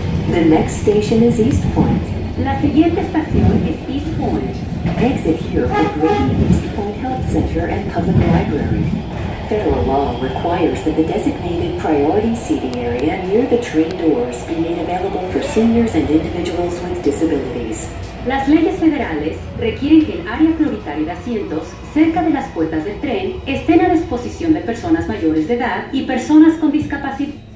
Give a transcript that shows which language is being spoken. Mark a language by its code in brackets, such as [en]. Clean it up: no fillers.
[en] The next station is East Point. [es] La siguiente estación es East Point. [en] Exit here for Great East Point Health Center and Public Library. Federal law requires that the designated priority seating area near the train doors be made available for seniors and individuals with disabilities. [es] Las leyes federales requieren que el área prioritaria de asientos cerca de las puertas del tren estén a disposición de personas mayores de edad y personas con discapacidad.